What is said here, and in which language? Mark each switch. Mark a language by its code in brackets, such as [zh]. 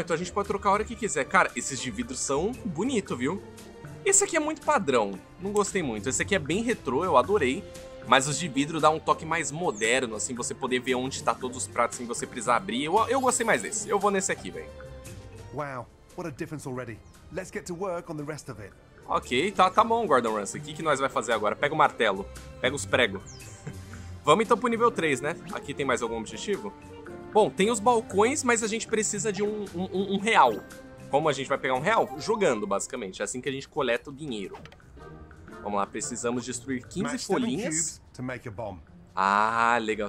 [pt] Então a gente pode trocar a hora que quiser. Cara, esses de vidro são bonitos, viu? Esse aqui é muito padrão. Não gostei muito. Esse aqui é bem retrô, eu adorei. Mas os de vidro dá um toque mais moderno, assim, você poder ver onde tá todos os pratos sem você precisar abrir. Eu gostei mais desse. Eu vou nesse aqui, velho. [en] Wow, what a difference already. Let's get to work on the rest of it. [pt] Ok, tá bom, Gordon Ramsay. O que nós vai fazer agora? Pega o martelo. Pega os pregos. Vamos então pro nível 3, né? Aqui tem mais algum objetivo? Bom, tem os balcões, mas a gente precisa de um real. Como a gente vai pegar um real? Jogando, basicamente. É assim que a gente coleta o dinheiro. Vamos lá, precisamos destruir 15 folhinhas. Ah, legal.